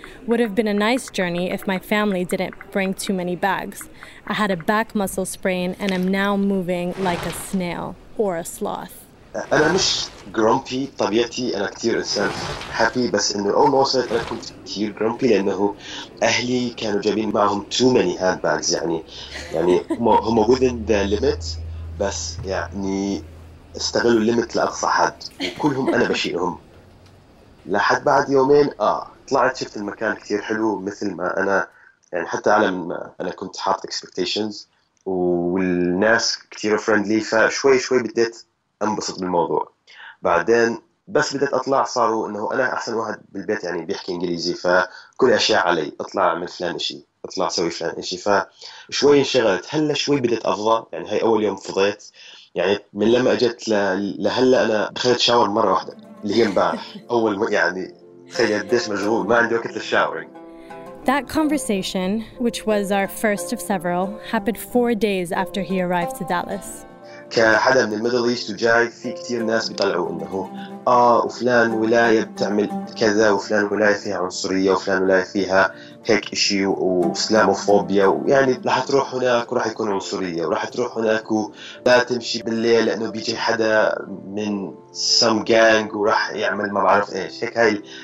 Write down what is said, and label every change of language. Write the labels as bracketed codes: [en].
[en] Would have been a nice journey if my family didn't bring too many bags. I had a back muscle sprain and I'm now moving like a snail or a sloth." [ar] أنا مش grumpy طبيعتي أنا كتير إنسان happy بس إنه أول ما وصلت أنا كنت كتير grumpy لأنه أهلي كانوا جايبين معهم [en] too many handbags [ar] يعني هم [en] within the limit [ar] بس يعني استغلوا limit لأقصى حد وكلهم أنا بشيلهم لحد بعد يومين طلعت شفت المكان كتير حلو مثل ما أنا يعني حتى على أنا كنت حاط expectations والناس كتير friendly فشوي شوي بديت انبسط بالموضوع بعدين بس بدأت أطلع صاروا إنه أنا أحسن واحد بالبيت يعني بيحكي إنجليزي فكل أشياء علي أطلع من فلان إشي أطلع سوي فلان إشي فشوي انشغلت هلا شوي بدأت أفضى يعني هاي أول يوم فضيت يعني من لما أجت لهلا أنا دخلت شاور مرة واحدة اللي هي مبارح أول يعني خلي قديش مشغول ما عندي وقت للشاورينج. [en] That conversation which was our first of several happened 4 days after he arrived to Dallas. [ar] كحدا من الميدل ايست وجاي في كثير ناس بيطلعوا انه وفلان ولايه بتعمل كذا وفلان ولايه فيها عنصريه وفلان ولايه فيها هيك شيء واسلاموفوبيا ويعني راح تروح هناك وراح يكون عنصريه وراح تروح هناك ولا تمشي بالليل لانه بيجي حدا من سم جانج وراح يعمل ما بعرف ايش هيك هاي